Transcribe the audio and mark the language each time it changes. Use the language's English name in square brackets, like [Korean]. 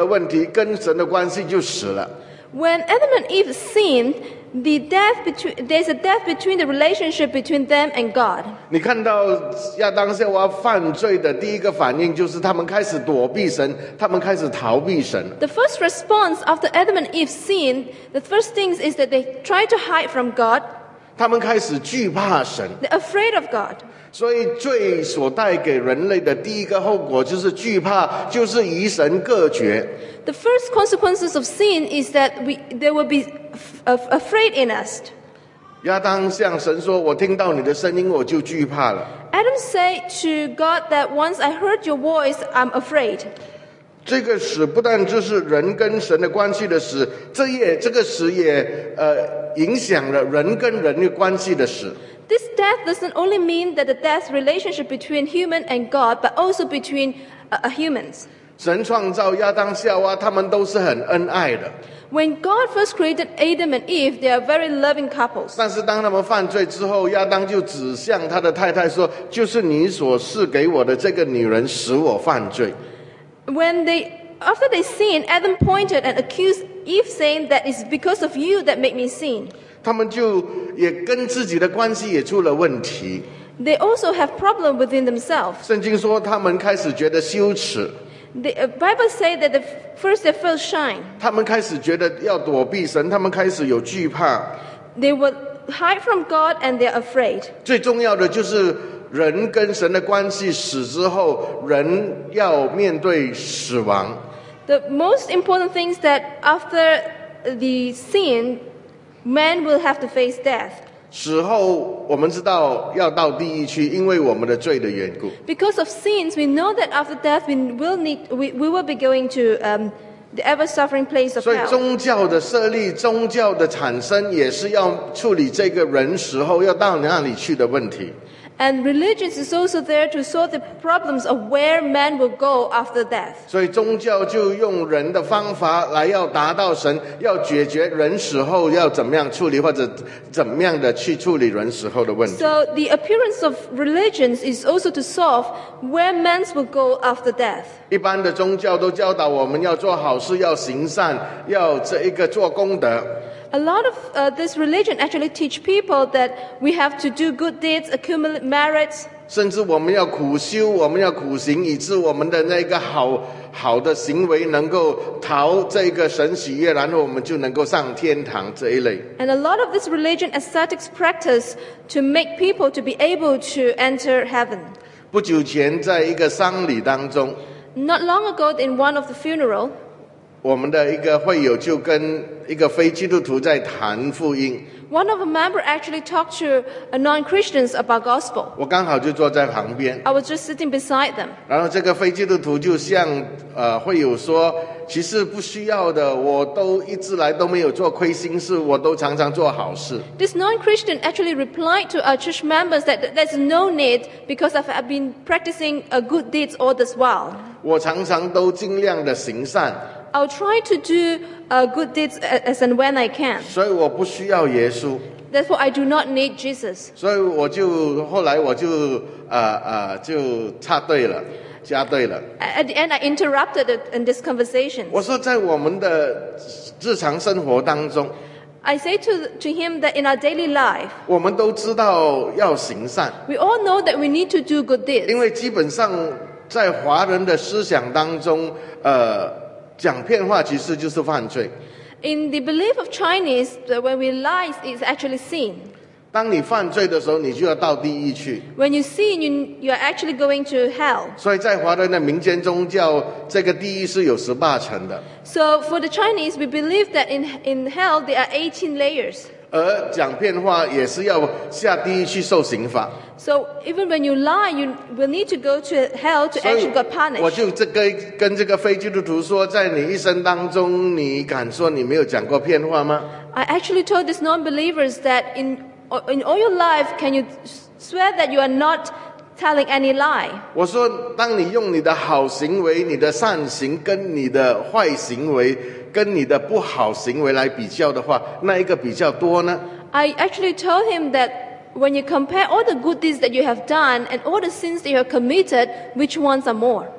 [Chinese] 当亚当夏娃犯罪的时候，他第一个死就是跟神的关系出了问题，跟神的关系就死了。 [English] When Adam and Eve sinned, there's a death between the relationship between them and God. [Chinese] 你看到亚当夏娃犯罪的第一个反应就是他们开始躲避神，他们开始逃避神。 [English] The first response after Adam and Eve sinned, the first thing is that they try to hide from God. [Chinese] 他们开始惧怕神。 [English] They're afraid of God. [Chinese] 所以罪所带给人类的第一个后果就是惧怕，就是与神隔绝。 [English] The first consequences of sin is that there will be afraid in us. [Chinese] 亚当向神说：“我听到你的声音，我就惧怕了。” [English] Adam said to God that once I heard your voice, I'm afraid. [Chinese] 这个死不但只是人跟神的关系的死，这个死也影响了人跟人的关系的死。 [English] This death doesn't only mean that the death relationship between human and God, but also between humans. [Chinese] 神创造亚当夏娃，他们都是很恩爱的。 [English] When God first created Adam and Eve, they are very loving couples. [Chinese] 但是当他们犯罪之后，亚当就指向他的太太说：“就是你所赐给我的这个女人，使我犯罪。” [English] After they sinned, Adam pointed and accused Eve, saying that it's because of you that made me sin. [Chinese] 他们就也跟自己的关系也出了问题。 [English] They also have problem within themselves. [Chinese] 圣经说他们开始觉得羞耻。 [English] The Bible says that the first they felt shy. [Chinese] 他们开始觉得要躲避神，他们开始有惧怕。 [English] They would hide from God and they're afraid. [Chinese] 最重要的就是人跟神的关系死之后，人要面对死亡。 [English] The most important thing is that after the sin, man will have to face death. [Chinese] 死后我们知道要到地狱去，因为我们的罪的缘故。 [English] Because of sins, we know that after death we will be going to the ever suffering place of hell. [Chinese] 所以宗教的设立，宗教的产生，也是要处理这个人死后要到哪里去的问题。 [English] And religion is also there to solve the problems of where man will go after death. [Chinese] 所以宗教就用人的方法来要达到神，要解决人死后要怎么样处理，或者怎么样的去处理人死后的问题。 [English] So the appearance of religions is also to solve where man will go after death. [Chinese] 一般的宗教都教导我们要做好事，要行善，要这一个做功德。 [English] A lot of this religion actually teach people that we have to do good deeds, accumulate merits. [Chinese] 甚至我们要苦修，我们要苦行，以致我们的那个好的行为能够讨这个神喜悦，然后我们就能够上天堂这一类。 [English] And a lot of this religion ascetics practice to make people to be able to enter heaven. [Chinese] 不久前在一个丧礼当中， [English] Not long ago in one of the funeral. [Chinese] 我们的一个会友就跟一个非基督徒在谈福音。 [English] One of a member actually talked to a non-Christians about gospel. [Chinese] 我刚好就坐在旁边。 [English] I was just sitting beside them. [Chinese] 然后这个非基督徒就向会友说：“其实不需要的，我都一直来都没有做亏心事，我都常常做好事。” [English] This non-Christian actually replied to our church members that there's no need because I've been practicing a good deeds all this while. [Chinese] 我常常都尽量的行善。 [English] I'll try to do good deeds as and when I can. [Chinese] 所以我不需要耶稣。 [English] Therefore, I do not need Jesus. [Chinese] 所以我就后来我就就插队了，加队了。 [English] At the end, I interrupted it in this conversation. [Chinese] 我说在我们的日常生活当中。 [English] I say to him that in our daily life, [Chinese] 我们都知道要行善。 [English] We all know that we need to do good deeds. [Chinese] 因为基本上在华人的思想当中，讲骗话其实就是犯罪。 [English] In the belief of Chinese, when we lie, it's actually sin. [Chinese] 当你犯罪的时候，你就要到地狱去。 [English] When you sin, you are actually going to hell. [Chinese] 所以在华人的民间宗教，这个地狱是有十八层的。 [English] So for the Chinese, we believe that in hell there are 18 layers. [Chinese] 而讲骗话也是要下地狱去受刑罚。 [English] So even when you lie, you will need to go to hell to actually get punished. [Chinese] 我就跟这个非基督徒说，在你一生当中，你敢说你没有讲过骗话吗？ [English] I actually told these non-believers that in all your life, can you swear that you are not telling any lie? [Chinese] 我说，当你用你的好行为、你的善行跟你的坏行为、跟你的不好行为来比较的话，那一个比较多呢？ [English] I actually told him that. When you compare all the good deeds that you have done and all the sins that you have committed, which ones are more?